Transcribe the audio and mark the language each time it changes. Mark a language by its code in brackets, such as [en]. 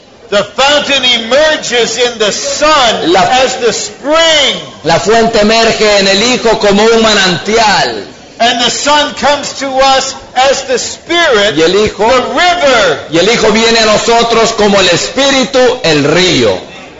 [en] The fountain emerges in the Son as the spring. [es] La fuente emerge en el Hijo como un manantial. [en] And the Son comes to us as the Spirit, [es] y el Hijo, [en] the river. [es] Y el Hijo viene a nosotros como el Espíritu, el río.